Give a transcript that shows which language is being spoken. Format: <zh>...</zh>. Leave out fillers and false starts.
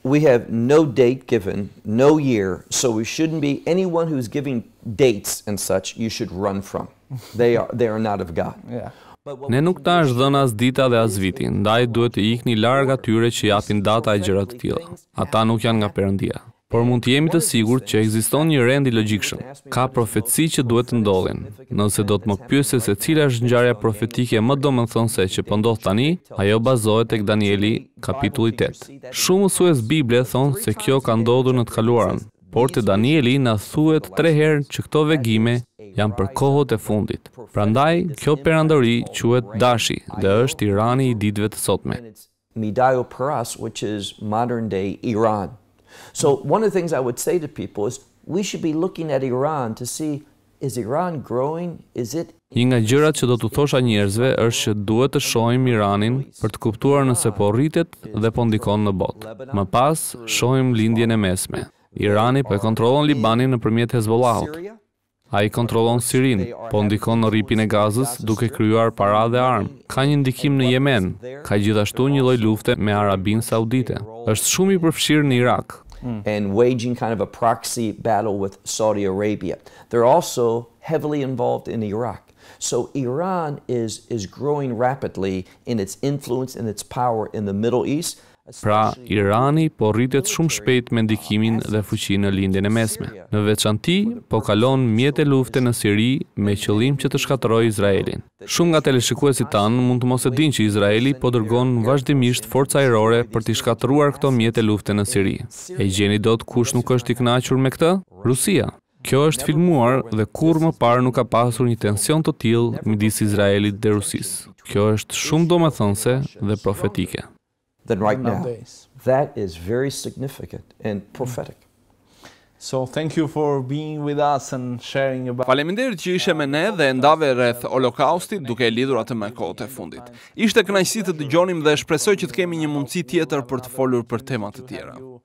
<en>We have no date given, no year, so we shouldn't be anyone who's giving dates and such, you should run from. They are not of God. Yeah.</en> <sq>Ne nuk ta është dhënë as dita dhe as viti, ndaj duhet të ikni larg atyre që japin data e gjërat të tila. Ata nuk janë nga Perëndia. Por mund të jemi të sigurt që ekziston një rend i logjikshëm. Ka profetësi që duhet të ndodhin. Nëse do të më pyese se cila është ngjarja profetike më domethënëse që po ndodh tani, ajo bazohet tek Danieli kapitulli 8. Shumë mësues Bible thonë se kjo ka ndodhur në të kaluarën, por te Danieli na thuhet 3 herë që këto vegjime janë për kohët e fundit. Prandaj kjo perandori quhet Dashi dhe është Irani i ditëve të sotme.</sq> <en>Midayo Paras, which is modern day Iran. So one of the things I would say to people is we should be looking at Iran to see Is Iran growing? Is it?</en> <sq>Një nga gjërat që do t'u thosha njerëzve është që duhet të shohim Iranin për të kuptuar nëse po rritet dhe po ndikon në botë. Më pas, shohim lindjen e mesme. Irani po e kontrollon Libanin nëpërmjet Hezbollahut. Ai kontrollon Sirin, po ndikon në rripin e Gazës duke krijuar para dhe armë. Ka një ndikim në Yemen, ka gjithashtu një lloj lufte me Arabinë Saudite. Është shumë i përfshirë në Irak.</sq> <en>And waging kind of a proxy battle with Saudi Arabia. They're also heavily involved in Iraq. So Iran is growing rapidly in its influence and its power in the Middle East.</en> <sq>Pra, Irani po rritet shumë shpejt me ndikimin dhe fuqinë në lindjen e mesme. Në veçanti, po kalon mjetë e lufte në Siri me qëllim që të shkatërrojë Izraelin. Shumë nga teleshikuesit tanë mund të mos e dinë që Izraeli po dërgon vazhdimisht forca ajrore për të shkatërruar këto mjetë e lufte në Siri. E gjeni dot kush nuk është i kënaqur me këtë? Rusia. Kjo është filmuar dhe kur më parë nuk ka pasur një tension të tillë midis Izraelit dhe Rusisë. Kjo është shumë domethënse dhe profetike.</sq> <en>Than right now. That is very significant and prophetic. So thank you for being with us and sharing about.</en> <sq>Faleminderit që ishe me ne dhe ndave rreth Holokaustit duke e lidhur atë me kohët e fundit. Ishte kënaqësi të dëgjonim dhe shpresoj që të kemi një mundësi tjetër për të folur për tema të tjera.</sq>